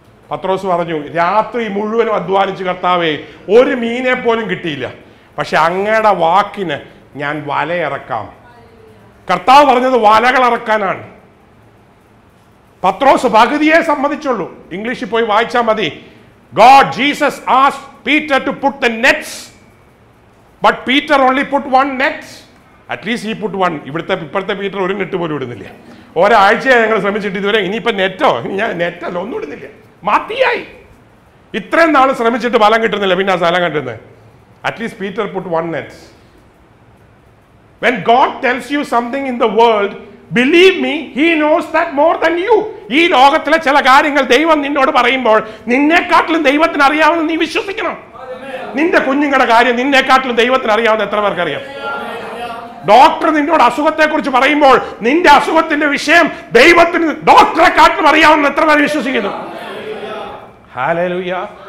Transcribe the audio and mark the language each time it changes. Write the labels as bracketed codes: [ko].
[ml] പത്രോസ് പറഞ്ഞു, രാത്രി മുഴുവനും അധ്വാനിച്ച് കർത്താവേ ഒരു മീനെ പോലും കിട്ടിയില്ല, പക്ഷെ അങ്ങയുടെ വാക്കിന് ഞാൻ വലയിറക്കാം. കർത്താവ് പറഞ്ഞത് വലകളിറക്കാനാണ്. പത്രോസ് പകുതിയെ സംബന്ധിച്ചുള്ളൂ, ഇംഗ്ലീഷിൽ പോയി വായിച്ചാൽ മതി. [en] God, Jesus asked Peter to put the nets, but Peter only put one net. At least he put one. [ml] ഇവിടുത്തെ പീറ്റർ ഒരു നെറ്റ് പോലും ഇടുന്നില്ല. ഒരാഴ്ചയായി ഞങ്ങൾ ശ്രമിച്ചിട്ട് ഇതുവരെ ഇനിയിപ്പോ നെറ്റോ, ഇനി ഞാൻ നെറ്റല്ലോ, ഒന്നും ഇടുന്നില്ല. മാത്തിയായി ഇത്രയും നാൾ ശ്രമിച്ചിട്ട് ബലം കിട്ടുന്നില്ല, പിന്നെ ആ സ്ഥലം കണ്ടിരുന്നത്. [en] At least Peter put one net. When God tells you something in the world, believe me, he knows that more than you. [ml] ഈ ലോകത്തിലെ ചില കാര്യങ്ങൾ ദൈവം നിന്നോട് പറയുമ്പോൾ നിന്നെക്കാട്ടിലും ദൈവത്തിന് അറിയാവുന്ന നീ വിശ്വസിക്കണം. നിന്റെ കുഞ്ഞുങ്ങളുടെ കാര്യം നിന്നെക്കാട്ടിലും ദൈവത്തിന് അറിയാവുന്ന എത്ര പേർക്കറിയാം? ഡോക്ടർ നിന്നോട് അസുഖത്തെ കുറിച്ച് പറയുമ്പോൾ നിന്റെ അസുഖത്തിന്റെ വിഷയം ദൈവത്തിന് ഡോക്ടറെ കാട്ടിലും അറിയാവുന്ന എത്ര പേര് വിശ്വസിക്കുന്നു? ഹല്ലേലൂയാ.